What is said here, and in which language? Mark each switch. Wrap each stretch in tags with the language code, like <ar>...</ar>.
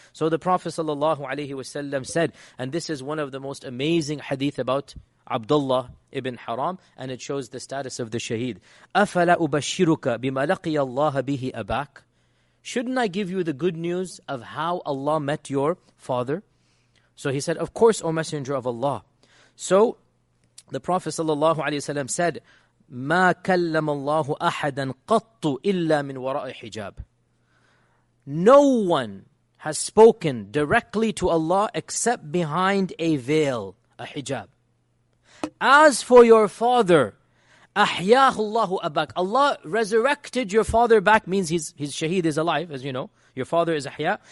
<en>So the Prophet sallallahu alayhi wasallam said, and this is one of the most amazing hadith about Abdullah ibn Haram, and it shows the status of the shaheed.</en> <ar>أَفَلَا أُبَشِّرُكَ بِمَا لَقِيَ اللَّهَ بِهِ أَبَاكَ.</ar> <en>Shouldn't I give you the good news of how Allah met your father? So he said, of course, O Messenger of Allah. So the Prophet sallallahu alayhi wasallam said,</en> <ar>ما كلم الله أحدا قط إلا من وراء حجاب.</ar> <en>No one has spoken directly to Allah except behind a veil, a hijab. As for your father,</en> <ar>أحياه الله أباك.</ar> <en>Allah resurrected your father back, means his shaheed is alive, as you know. Your father is أحياه.</en>